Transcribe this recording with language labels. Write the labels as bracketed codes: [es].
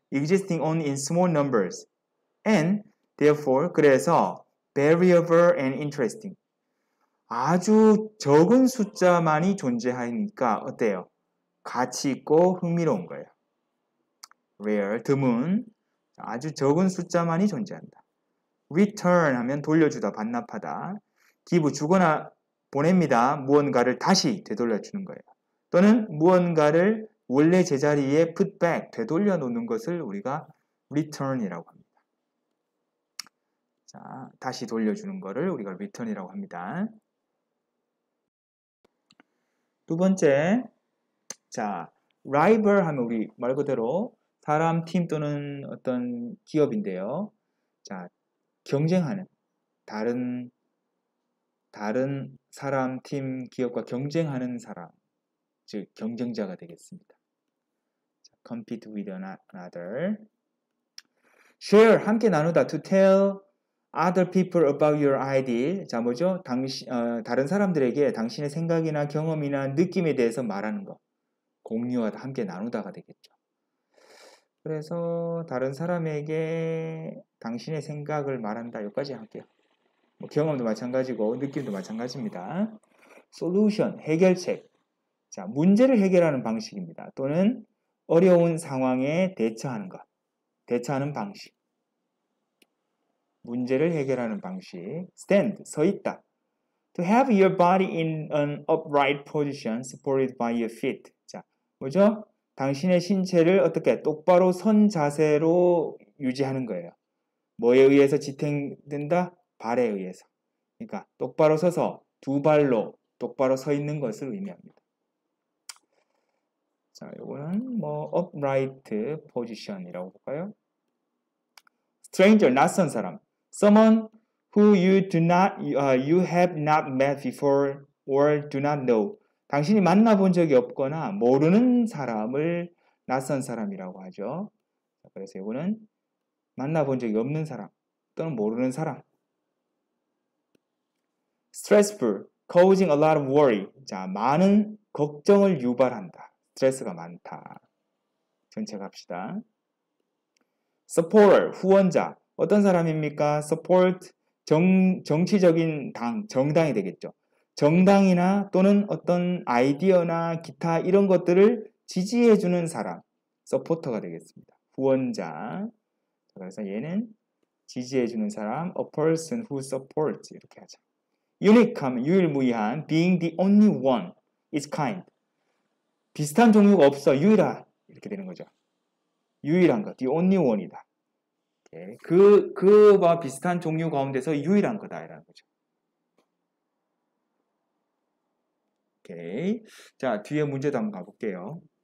[en] Existing only in small numbers. And therefore. 그래서 variable and interesting. [ko] 아주 적은 숫자만이 존재하니까 어때요? 가치 있고 흥미로운 거예요. Rare. 드문. 아주 적은 숫자만이 존재한다. Return 하면 돌려주다, 반납하다. Give 주거나 보냅니다. 무언가를 다시 되돌려주는 거예요. 또는 무언가를 원래 제자리에 [en] put back, [ko] 되돌려 놓는 것을 우리가 return이라고 합니다. 자, 다시 돌려주는 것을 우리가 return이라고 합니다. 두 번째, 자, rival 하면 우리 말 그대로 사람, 팀 또는 어떤 기업인데요. 자, 경쟁하는, 다른 사람, 팀, 기업과 경쟁하는 사람, 즉 경쟁자가 되겠습니다. [en] 자, compete with another. Share, [ko] 함께 나누다. [en] To tell other people about your idea. [ko] 자, 뭐죠? 다른 사람들에게 당신의 생각이나 경험이나 느낌에 대해서 말하는 거. 공유하다, 함께 나누다가 되겠죠. 그래서 다른 사람에게 당신의 생각을 말한다. 여기까지 할게요. 뭐 경험도 마찬가지고 느낌도 마찬가지입니다. Solution, 해결책. 자, 문제를 해결하는 방식입니다. 또는 어려운 상황에 대처하는 것. 대처하는 방식. 문제를 해결하는 방식. Stand, 서 있다. [en] To have your body in an upright position, supported by your feet. [ko] 자, 뭐죠? 당신의 신체를 어떻게 똑바로 선 자세로 유지하는 거예요. 뭐에 의해서 지탱된다? 발에 의해서. 그러니까 똑바로 서서 두 발로 똑바로 서 있는 것을 의미합니다. 자, 이거는 뭐 upright position이라고 볼까요? Stranger, 낯선 사람. [en] Someone who you do not, you have not met before or do not know. [ko] 당신이 만나본 적이 없거나 모르는 사람을 낯선 사람이라고 하죠. 그래서 이거는 만나본 적이 없는 사람 또는 모르는 사람. [en] Stressful, causing a lot of worry. [ko] 자, 많은 걱정을 유발한다. 스트레스가 많다. 전체 갑시다. Supporter, 후원자. 어떤 사람입니까? Support, 정치적인 당, 정당이 되겠죠. 정당이나 또는 어떤 아이디어나 기타 이런 것들을 지지해주는 사람, 서포터가 되겠습니다. 후원자. 그래서 얘는 지지해주는 사람, [en] a person who supports [ko] 이렇게 하자. [en] Unique [ko] 하면 유일무이한, [en] being the only one is kind. [ko] 비슷한 종류가 없어, 유일한 이렇게 되는 거죠. 유일한 것, [en] the only one [ko] 이다. 그와 비슷한 종류 가운데서 유일한 거다라는 거죠. 오케이. 자, 뒤에 문제도 한번 가볼게요.